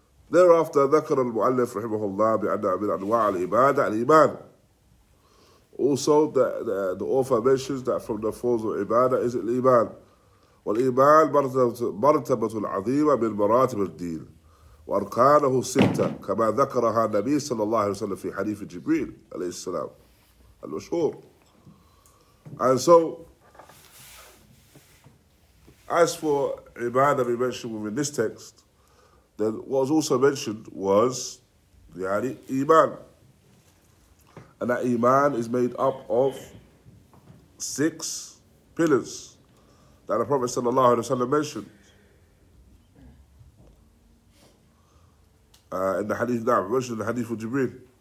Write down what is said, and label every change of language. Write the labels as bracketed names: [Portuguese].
[Arabic] Thereafter, ذكر المؤلف رحمه الله بأن من أنواع العبادة الإيمان. [English] Also, the author mentions that from the forms of ibadah is al-Iman. [Arabic] والإيمان مرتبة عظيمة من مراتب الدين وأركانه ستة كما ذكرها النبي صلى الله عليه وسلم في حديث جبريل عليه السلام المشهور. [English] And so, as for عبادة we mentioned within this text, then what was also mentioned was [Arabic] يعني إيمان. [English] And that إيمان is made up of six pillars that the Prophet sallallahu alaihi wasallam mentioned in the hadith of Jibreel.